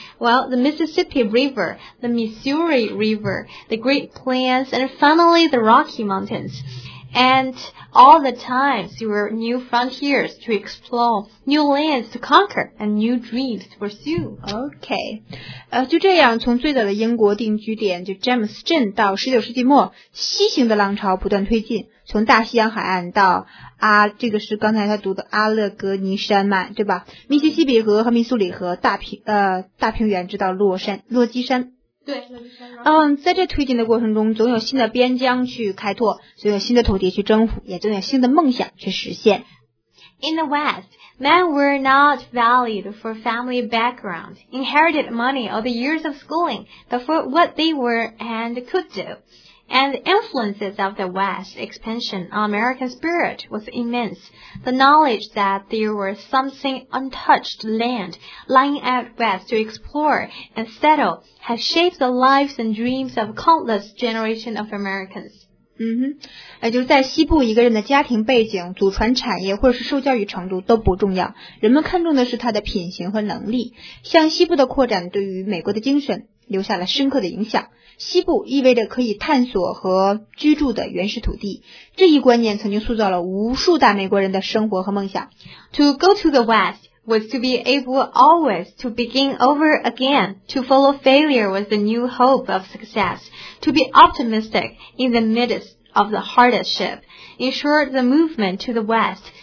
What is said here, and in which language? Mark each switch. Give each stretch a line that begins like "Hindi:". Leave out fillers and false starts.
English: Well, the Mississippi River, the Missouri River, the Great Plains, and finally the Rocky Mountains. And all the times there were new frontiers to explore, new lands to conquer, and new dreams to pursue. Okay.
Chinese: 就这样，从最早的英国定居点就詹姆斯镇到19世纪末，西行的浪潮不断推进。从大西洋海岸到这个是刚才他读的阿勒格尼山脉，对吧？密西西比河和密苏里河，大平原，直到洛基山。对，在这推进的过程中，总有新的边疆去开拓，总有新的土地去征服，也总有新的梦想去实现。
English: In the West, men were not valued for family background, inherited money, or the years of schooling, but for what they were and could do. And the influences of the West expansion on American spirit was immense. The knowledge that there was something untouched land lying out west to explore and settle has shaped the lives and dreams of countless generations of Americans.
Chinese: 就在西部，一个人的家庭背景、祖传产业或者是受教育程度都不重要，人们看重的是他的品行和能力。向西部的扩展对于美国的精神留下了深刻的影响。西部意味着可以探索和居住的原始土地，这一观念曾经塑造了无数大美国人的生活和梦想。
English: To go to the West was to be able always to begin over again. To follow failure was the new hope of success. To be optimistic in the midst of the hardship. In short, the movement to the West